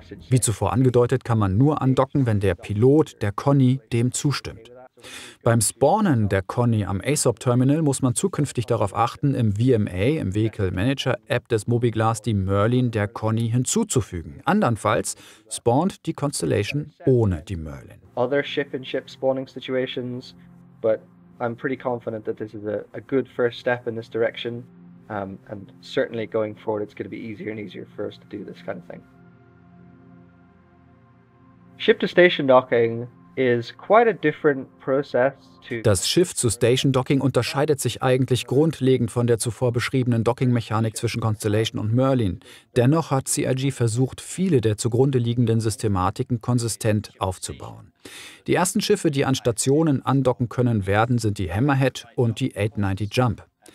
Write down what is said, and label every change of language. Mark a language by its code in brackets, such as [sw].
[de] Wie zuvor angedeutet, kann man nur andocken, wenn der Pilot, der Conny, dem zustimmt. Beim Spawnen der Conny am ASOP-Terminal muss man zukünftig darauf achten, im VMA, im Vehicle Manager App des MobiGlas, die Merlin der Conny hinzuzufügen. Andernfalls spawnt die Constellation ohne die Merlin. [en] Other ship-in-ship spawning situations, but I'm pretty confident that this is a good first step in this direction. And certainly going forward, it's going to be easier and easier for us to do this kind of thing. Ship-to-station docking is quite a different process to. [de] Das Schiff-zu-Station Docking unterscheidet sich eigentlich grundlegend von der zuvor beschriebenen Docking-Mechanik zwischen Constellation und Merlin. Dennoch hat CRG versucht, viele der zugrunde liegenden Systematiken konsistent aufzubauen. Die ersten Schiffe, die an Stationen andocken können werden, sind die Hammerhead und die 890 Jump.